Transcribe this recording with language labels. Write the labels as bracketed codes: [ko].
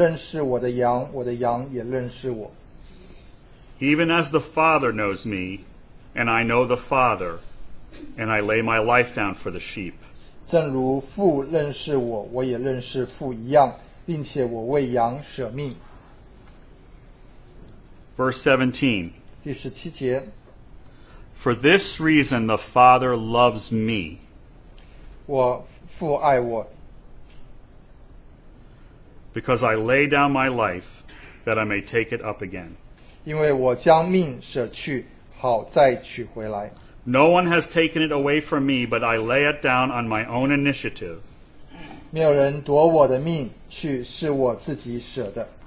[zh] 第十四节,我是好牧人,我认识我的羊,我的羊也认识我。 [en] Even as the Father knows me, and I know the Father, and I lay my life down for the sheep. [zh] 正如父认识我,我也认识父一样,并且我为羊舍命。 [en] Verse 17, [zh] 第十七节, [en] For this reason the Father loves me. [zh] 我父爱我。 [en] Because I lay down my life that I may take it up again. [zh] 因为我将命舍去, 好再取回来。 [en] No one has taken it away from me, but I lay it down on my own initiative. [zh] 没有人夺我的命去,是我自己舍的。